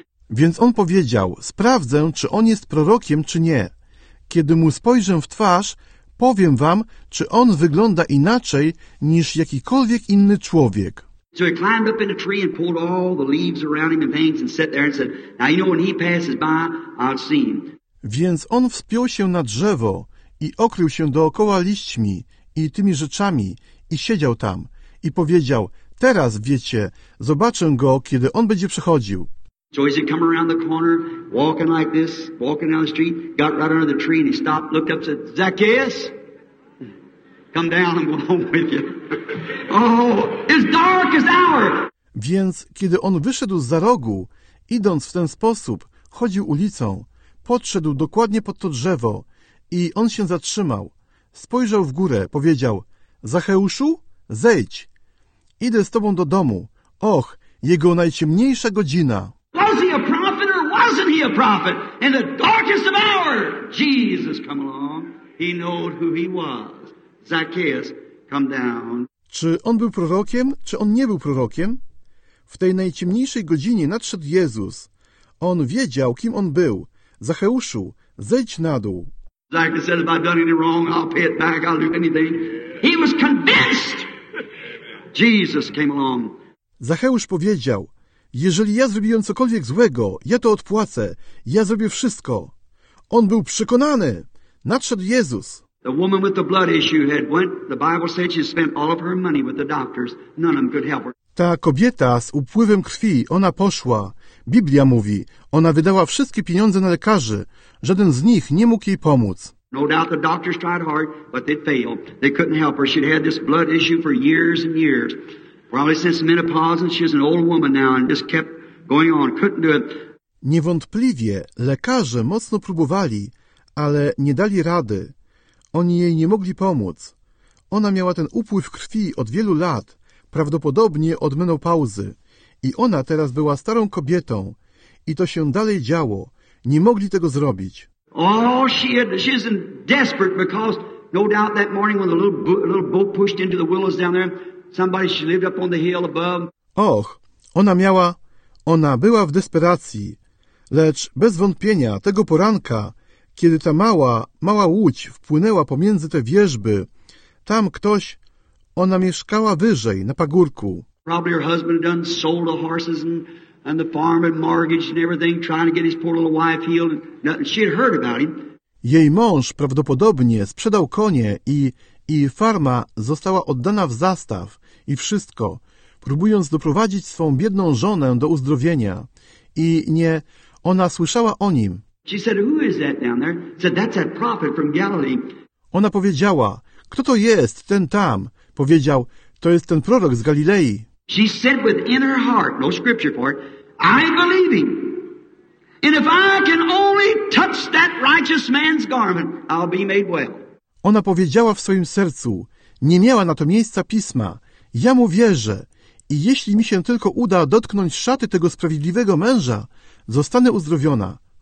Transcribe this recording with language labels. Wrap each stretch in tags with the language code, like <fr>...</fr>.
<pl>Więc on powiedział, sprawdzę, czy on jest prorokiem, czy nie. Kiedy mu spojrzę w twarz, powiem wam, czy on wygląda inaczej niż jakikolwiek inny człowiek.</pl> <en>So he climbed up in a tree and pulled all the leaves around him and things and sat there and said, now you know when he passes by, I'll see him.</en> <pl>Więc on wspiął się na drzewo i okrył się dookoła liśćmi i tymi rzeczami i siedział tam i powiedział, teraz wiecie, zobaczę go, kiedy on będzie przechodził.</pl> <en>So he said, come around the corner, walking like this, walking down the street, got right under the tree and he stopped, looked up, said, Zacchaeus, come down, I'm going home with you. Oh, it's dark as hour.</en> <pl>Więc kiedy on wyszedł zza rogu, idąc w ten sposób, chodził ulicą, podszedł dokładnie pod to drzewo i on się zatrzymał. Spojrzał w górę, powiedział, Zacheuszu, zejdź. Idę z tobą do domu. Och, jego najciemniejsza godzina.</pl> <en>Was he a prophet or wasn't he a prophet? In the darkest of hour, Jesus come along. He knew who he was. Zacchaeus, come down.</en> <pl>Czy on był prorokiem, czy on nie był prorokiem? W tej najciemniejszej godzinie nadszedł Jezus. On wiedział, kim on był. Zacheuszu, zejdź na dół.</pl> <en>Like I said, if I've done any wrong, I'll pay it back, I'll do anything. He was convinced. Jesus came along.</en> <pl>Zacheusz powiedział, jeżeli ja zrobiłem cokolwiek złego, ja to odpłacę, ja zrobię wszystko. On był przekonany. Nadszedł Jezus.</pl> <en>The woman with the blood issue had went, the Bible said she spent all of her money with the doctors. None of them could help her.</en> <pl>Ta kobieta z upływem krwi, ona poszła. Biblia mówi, ona wydała wszystkie pieniądze na lekarzy. Żaden z nich nie mógł jej pomóc.</pl> <en>No doubt the doctors tried hard, but they failed. They couldn't help her. She'd had this blood issue for years and years. Probably since menopause, and she's an old woman now, and just kept going on. Couldn't do it.</en> <pl>Niewątpliwie lekarze mocno próbowali, ale nie dali rady. Oni jej nie mogli pomóc. Ona miała ten upływ krwi od wielu lat, prawdopodobnie od menopauzy. I ona teraz była starą kobietą. I to się dalej działo. Nie mogli tego zrobić.</pl> <en>Oh, she's in desperate because no doubt that morning when the little boat pushed into the willows down there, somebody she lived up on the hill above.</en> <pl>Och, ona była w desperacji. Lecz bez wątpienia tego poranka, kiedy ta mała łódź wpłynęła pomiędzy te wierzby, tam ktoś, ona mieszkała wyżej, na pagórku.</pl> <en>Probably her husband had done sold the horses and the farm and mortgage and everything, trying to get his poor little wife healed. Nothing. She had heard about him.</en> <pl>Jej mąż prawdopodobnie sprzedał konie i farma została oddana w zastaw i wszystko, próbując doprowadzić swą biedną żonę do uzdrowienia. I nie, ona słyszała o nim.</pl> <en>She said, who is that down there? Said, that's that prophet from Galilee.</en> <pl>Ona powiedziała, kto to jest, ten tam? Powiedział, to jest ten prorok z Galilei.</pl> <en>She said within her heart, no scripture for it, I believe him. And if I can only touch that righteous man's garment, I'll be made well.</en> <pl>Ona powiedziała w swoim sercu, nie miała na to miejsca pisma, ja mu wierzę i jeśli mi się tylko uda dotknąć szaty tego sprawiedliwego męża, zostanę uzdrowiona.</pl>